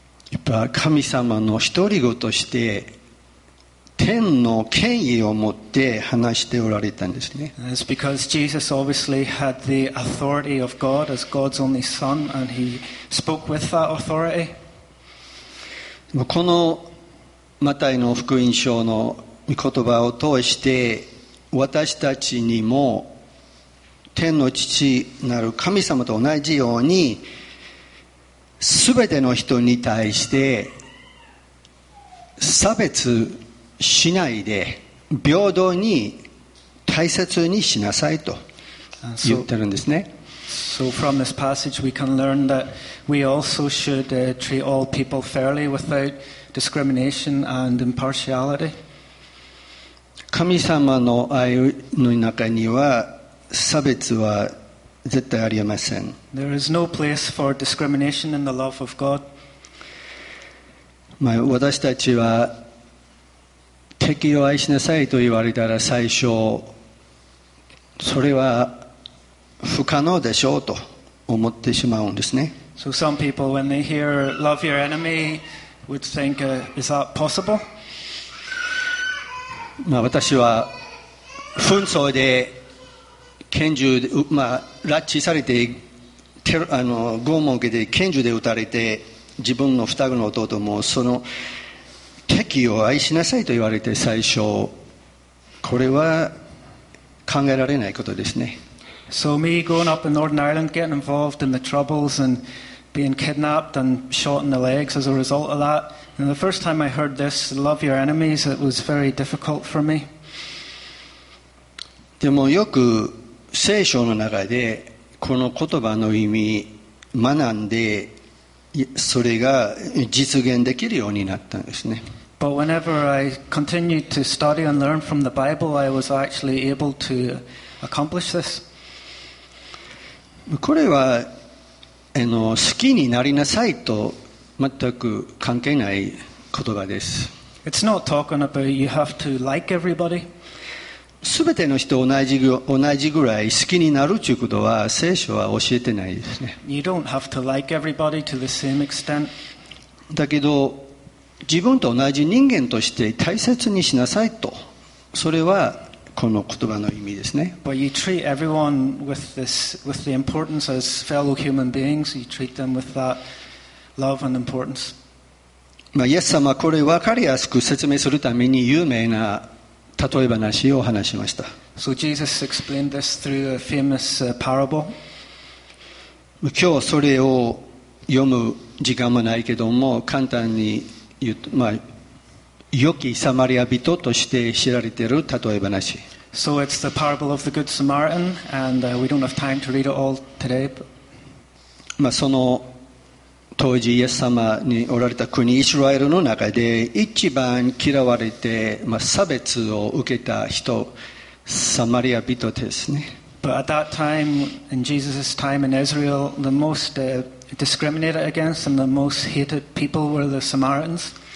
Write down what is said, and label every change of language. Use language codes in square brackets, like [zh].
[ja] やっぱ神様の独り子として天の権威を持って話しておられたんですね。 [en] It's because Jesus obviously had the authority of God as God's only son, and he spoke with that authority. [ja] このマタイの福音書の御言葉を通して、私たちにも天の父なる神様と同じように、すべての人に対して差別しないで平等に大切にしなさいと言ってるんですね。 [en] So from this passage we can learn that we also should treat all people fairly without discrimination and impartiality. [ja] 神様の愛の中には差別は絶対ありません。 [en] There is no place for discrimination in the love of God. [ja] まあ私たちは敵を愛しなさいと言われたら最初それは不可能でしょうと思ってしまうんですね。 [en] So some people when they hear love your enemy would think is that possible? [ja] まあ私は紛争で拳銃で、まあ、拉致されて拷問を受けて拳銃で撃たれて自分の双子の弟もその敵を愛しなさいと言われて最初これは考えられないことですね。 [en] So me growing up in Northern Ireland getting involved in the troubles and being kidnapped and shot in the legs as a result of that, and the first time I heard this love your enemies it was very difficult for me. [ja] でもよく聖書の中でこの言葉の意味学んでそれが実現できるようになったんですね。 [en] But whenever I continued to study and learn from the Bible, I was actually able to accomplish this. [ja] これは好きになりなさいと全く関係ない言葉です。 [en] It's not talking about you have to like everybody. [ja] すべての人同じぐらい好きになるということは聖書は教えてないですね。 [en] You don't have to like everybody to the same extent. [ja] だけど自分と同じ人間として大切にしなさいと、それはこの言葉の意味ですね。 [en] But you treat everyone with the importance as fellow human beings. You treat them with that love and importance. [ja] まあ、イエス様、これ分かりやすく説明するために有名な例え話を話しました。 [en] So Jesus explained this through a famous parable. [ja] 今日それを読む時間もないけども、簡単に言うと、まあ、良きサマリア人として知られている例え話。 [en] So it's the parable of the Good Samaritan, and we don't have time to read it all today. But... [ja] まあその当時イエス様におられた国イスラエルの中で一番嫌われて、まあ、差別を受けた人、サマリア人ですね。 [en] But at that time, in Jesus' time in Israel, the most discriminated against and the most hated people were the Samaritans.